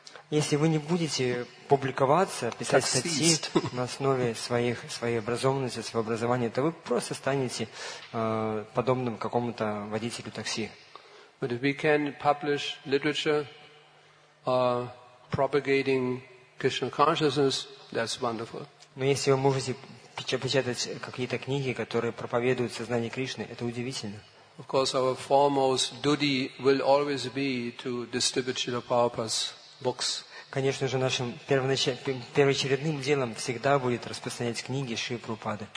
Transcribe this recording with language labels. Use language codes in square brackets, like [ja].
[ru] Если вы не будете публиковаться, писать статьи на основе своей образованности, своего образования, то вы просто станете подобным какому-то водителю такси. [en] But if we can publish literature, propagating Krishna consciousness, that's wonderful. [ru] Но если вы можете печатать какие-то книги, которые проповедуют сознание Кришны, это удивительно. [en] Of course, our foremost duty will always be to distribute Srila Prabhupada's books. [ru] Конечно же, нашим первоочередным делом всегда будет распространять книги Шри Прабхупады.